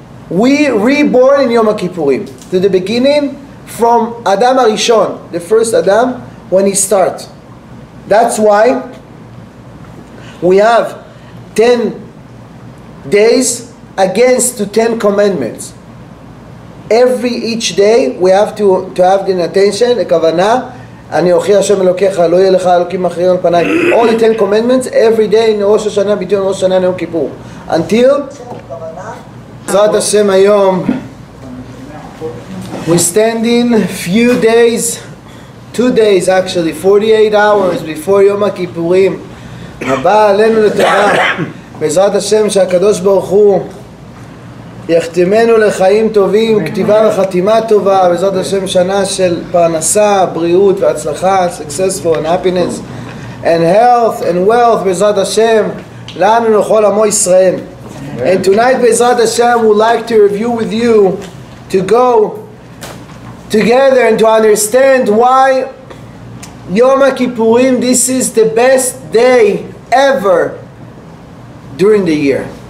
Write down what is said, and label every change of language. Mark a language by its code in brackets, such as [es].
[en] We reborn in Yom HaKippurim, to the beginning from Adam HaRishon, the first Adam, when he starts. That's why we have 10 days against the 10 commandments. Each day we have to have the attention, the kavanah, [he] אני אוכיח השם אלוקיך, לא יהיה לך אלוקים אחרים על פניי. [en] All the 10 commandments, every day in ראש השנה, [he] ביטוי ראש השנה, [en] יום כיפור. Until, בעזרת השם היום, we're standing few days, 2 days actually, 48 hours before יום הכיפורים. [he] הבא עלינו לטובה, בעזרת השם שהקדוש ברוך הוא יחתימנו לחיים טובים, כתיבה וחתימה טובה, וזאת השם שנה של פרנסה, בריאות והצלחה, [en] successful and happiness, and health and wealth, [he] בעזרת השם, לנו לכל עמו ישראל. [en] And tonight, בעזרת השם, we'd like to review with you, to go together and to understand why Yom HaKippurim, this is the best day ever during the year.